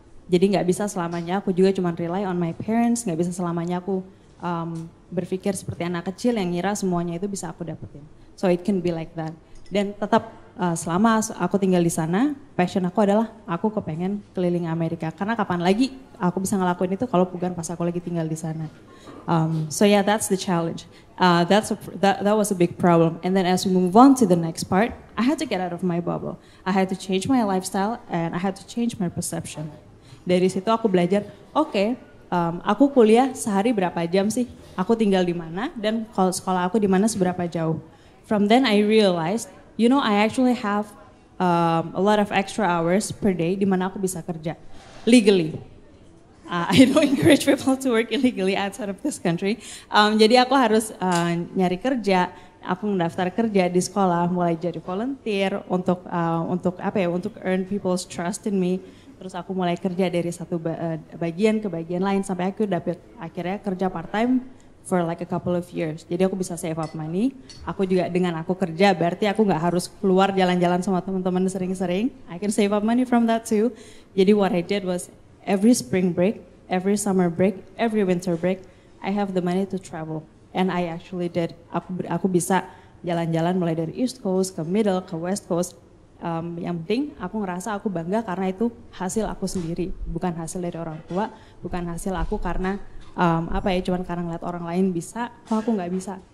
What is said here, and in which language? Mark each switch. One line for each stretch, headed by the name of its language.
Indonesian: Jadi gak bisa selamanya aku juga cuma
English: rely on my parents,
Indonesian: gak bisa selamanya aku berpikir seperti anak kecil yang ngira semuanya itu bisa aku dapetin.
English: So it can be like that.
Indonesian: Dan tetap selama aku tinggal di sana, passion aku adalah aku kepengen keliling Amerika. Karena kapan lagi aku bisa ngelakuin itu kalau bukan pas aku lagi tinggal di sana.
English: That's the challenge. That was a big problem. And then as we move on to the next part, I had to get out of my bubble. I had to change my lifestyle and I had to change my perception.
Indonesian: Dari situ aku belajar, aku kuliah sehari berapa jam sih? Aku tinggal di mana? Dan kalau sekolah aku di mana seberapa jauh?
English: From then I realized, you know, I actually have a lot of extra hours per day
Indonesian: di mana aku bisa kerja
English: legally. I don't encourage people to work illegally outside of this country.
Indonesian: Jadi aku harus nyari kerja, aku mendaftar kerja di sekolah, mulai jadi volunteer untuk
English: earn people's trust in me.
Indonesian: Terus aku mulai kerja dari satu bagian ke bagian lain sampai aku dapat akhirnya kerja part time
English: for like a couple of years.
Indonesian: Jadi aku bisa
English: save up money.
Indonesian: Aku juga dengan aku kerja berarti aku nggak harus keluar jalan-jalan sama teman-teman sering-sering.
English: I can save up money from that too. Jadi what I did was every spring break, every summer break, every winter break, I have the money to travel. And I actually did.
Indonesian: Aku bisa jalan-jalan mulai dari East Coast ke Middle ke West Coast. Yang penting aku ngerasa aku bangga karena itu hasil aku sendiri, bukan hasil dari orang tua, bukan hasil aku karena cuman karena ngeliat orang lain bisa, kok aku nggak bisa.